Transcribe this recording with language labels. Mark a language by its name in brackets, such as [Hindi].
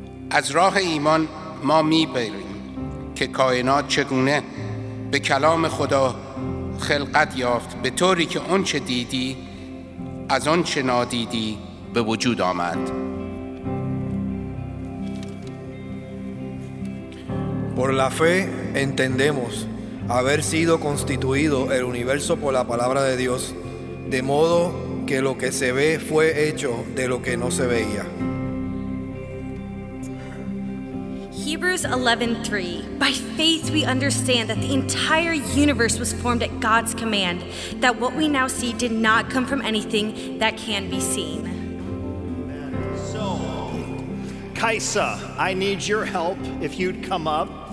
[Persian] از راه ایمان ما می‌بینیم که کائنات چگونه به کلام خدا خلقت یافت، به طوری که اون چه دیدی از اون چه نادیدی به وجود آمد. [Spanish] Por la fe entendemos haber sido constituido el universo por la palabra de Dios, de modo que lo que se ve fue hecho de lo que no se veía. [English] Hebrews 11:3. By faith we understand that the entire universe was formed at God's command, that what we now see did not come from anything that can be seen. So, Kaisa, I need your help if you'd come up.